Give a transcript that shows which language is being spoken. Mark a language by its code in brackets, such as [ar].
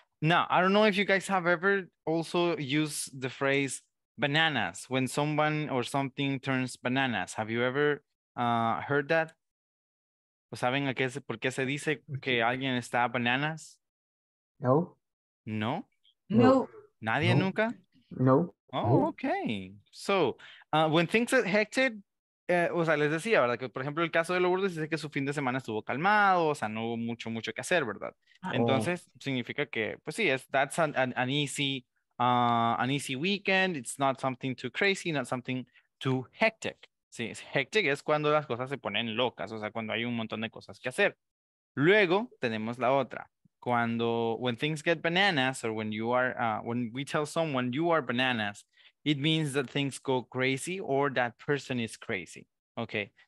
[en] Now, I don't know if you guys have ever also used the phrase bananas when someone or something turns bananas. Have you ever heard that? [es] ¿O saben a qué se, por qué se dice que alguien está bananas? No. No. No. Nadie no. Nunca? No. [en] Oh, okay. So when things get hectic, [es] O sea, les decía, ¿verdad? Que, por ejemplo, el caso de Lourdes dice que su fin de semana estuvo calmado, o sea, no hubo mucho, mucho que hacer, ¿verdad? Oh. Entonces, significa que, pues sí, es [en] that's an easy weekend, it's not something too crazy, not something too hectic. [es] Sí, hectic es cuando las cosas se ponen locas, o sea, cuando hay un montón de cosas que hacer. Luego tenemos la otra. [en] Cuando, when things get bananas, or when we tell someone you are bananas, it means that things go crazy or that person is crazy. Okay.